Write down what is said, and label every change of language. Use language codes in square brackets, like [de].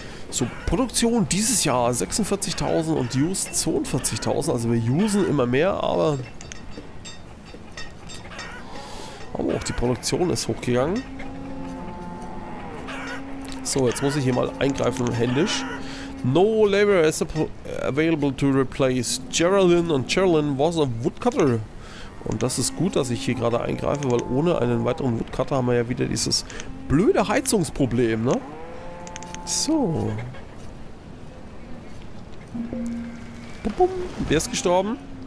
[de] So, Produktion dieses Jahr 46.000 und Use 42.000, also wir usen immer mehr, aber auch die Produktion ist hochgegangen. So, jetzt muss ich hier mal eingreifen, händisch. [en] No labor is available to replace Geraldine, and Geraldine was a woodcutter. [de] Und das ist gut, dass ich hier gerade eingreife, weil ohne einen weiteren Woodcutter haben wir ja wieder dieses blöde Heizungsproblem, ne? So. Bum, bum. Wer ist gestorben?